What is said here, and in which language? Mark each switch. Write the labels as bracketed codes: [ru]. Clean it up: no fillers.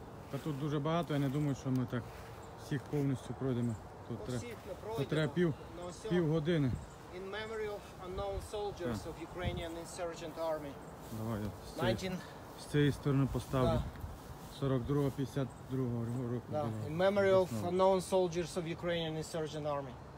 [uk] Та тут дуже багато, я не думаю, що ми так всіх повністю пройдемо. Тут треба пів години. [en] In memory of unknown soldiers of Ukrainian insurgent army. [uk] Давай, я з цієї сторони поставлю. 42-52 року. [en] In memory of unknown soldiers of Ukrainian insurgent army.